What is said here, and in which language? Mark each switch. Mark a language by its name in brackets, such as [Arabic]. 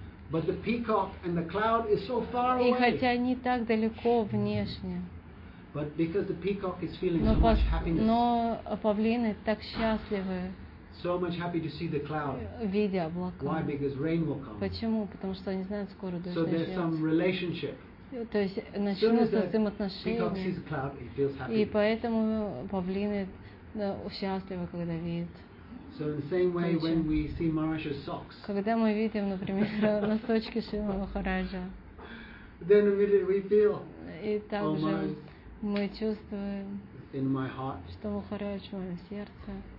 [English] But the peacock and the cloud is so far away. [Russian] И хотя они так далеко внешне. [English] But because the peacock is feeling so much happiness. [Russian] Но павлины так счастливы. [English] So much happy to see the cloud. [Russian] Видя облака. [English] Why? Because rain will come. [Russian] Почему? Потому что они знают, скоро дождь начнется. [English] So there's some relationship. [Russian] То есть начнутся с ним отношения, [English] cloud, [Russian] и поэтому павлины счастливы, когда видят. [English] So in the same way, when we see Maharaj's socks, [Russian] когда мы видим, например, носочки Шрилы Махараджа, [English] then immediately we feel, [Russian] и также мы чувствуем, [English] in my heart, [Russian] что Махарадж в моем сердце.